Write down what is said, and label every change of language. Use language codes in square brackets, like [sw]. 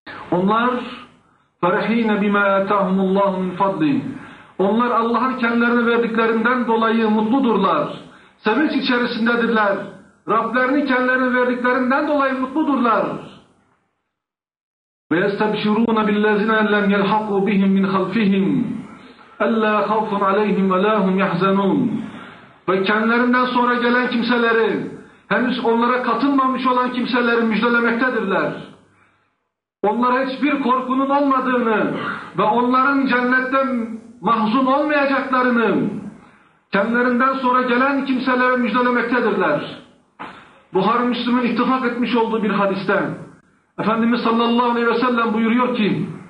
[tr] Onlar [ar] فَرَح۪ينَ بِمَا اَتَاهُمُ اللّٰهُ مِنْ فَضْلِينَ [tr] Onlar Allah'ın kendilerine verdiklerinden dolayı mutludurlar. Sevinç içerisindedirler. Rablerini kendilerine verdiklerinden dolayı mutludurlar. [ar] وَيَسْتَبْشِرُونَ بِالَّذِينَ لَمْ يَلْحَقُوا بِهِمْ مِنْ خَلْفِهِمْ أَلَّا خَوْفٌ عَلَيْهِمْ وَلَا هُمْ يَحْزَنُونَ [tr] Ve kendilerinden sonra gelen kimseleri, henüz onlara katılmamış olan kimseleri müjdelemektedirler. Onlara hiçbir korkunun olmadığını ve onların cennetten mahzun olmayacaklarını kendilerinden sonra gelen kimselere müjdelemektedirler. Buhari Müslüm'ün ittifak etmiş olduğu bir hadiste Efendimiz sallallahu aleyhi ve sellem buyuruyor ki